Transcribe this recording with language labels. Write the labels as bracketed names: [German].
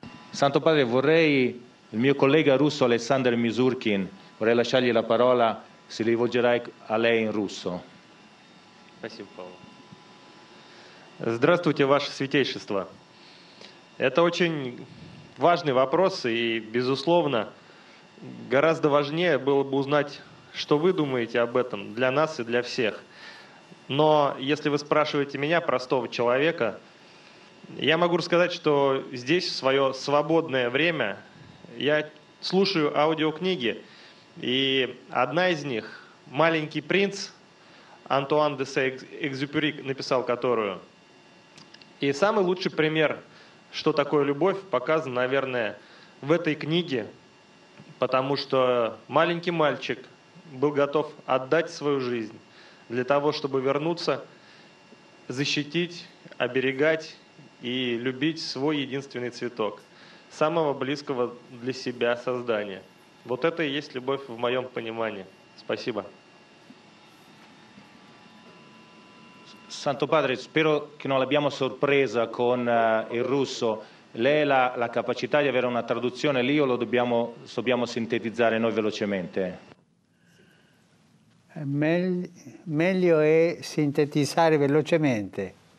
[Italian] Santo Padre, vorrei, il mio collega russo Alexander Mizurkin, vorrei lasciargli la parola, si rivolgerà a lei in russo. [Russian] Спасибо, Павел. Здравствуйте, Ваше Святейшество. Это очень важный вопрос, и, безусловно, гораздо важнее было бы узнать, что вы думаете об этом для нас и для всех. Но если вы спрашиваете меня, простого человека, я могу рассказать, что здесь, в свое свободное время, я слушаю аудиокниги, и одна из них, «Маленький принц», Антуан де Сент-Экзюпери написал которую. И самый лучший пример, что такое любовь, показан, наверное, в этой книге, потому что маленький мальчик был готов отдать свою жизнь для того, чтобы вернуться, защитить, оберегать и любить свой единственный цветок, самого близкого для себя создания. Вот это и есть любовь в моем понимании. Спасибо. [Italian] Santo Padre, spero che non l'abbiamo sorpresa con il russo. Lei ha la capacità di avere una traduzione lì, o lo dobbiamo sintetizzare noi velocemente? Meglio è sintetizzare velocemente.